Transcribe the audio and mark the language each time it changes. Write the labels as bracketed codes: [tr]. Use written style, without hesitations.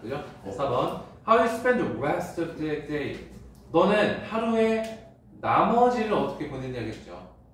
[ko] 그죠? 4번. [en] How you spend the rest of the day? [ko] 너는 하루의 나머지를 어떻게 보냈냐겠죠?